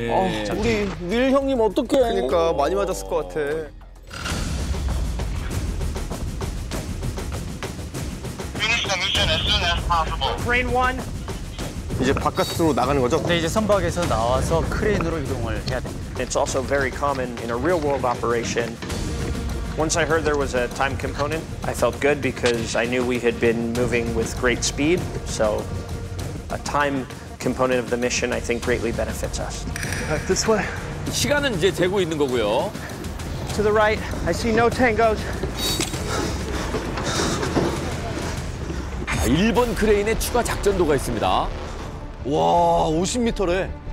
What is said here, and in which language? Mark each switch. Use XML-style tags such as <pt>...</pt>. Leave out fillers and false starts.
<ko>예. 우리 윌 형님 어떡해. 그러니까 많이 맞았을 것 같아. 브레인 1 이제 바깥으로 나가는 거죠? 네, 이제 선박에서 나와서 크레인으로 이동을 해야 됩니다.</ko> <en>It's also very common in a real world operation. Once I heard there was a time component, I felt good because I knew we had been moving with great speed. So a time component of the mission I think greatly benefits us. Back this way.</en> <ko>시간은 이제 재고 있는 거고요.</ko> <en>To the right, I see no tangos.</en> <ko>자, 1번 크레인에 추가 작전도가 있습니다. 와, 50m래.</ko>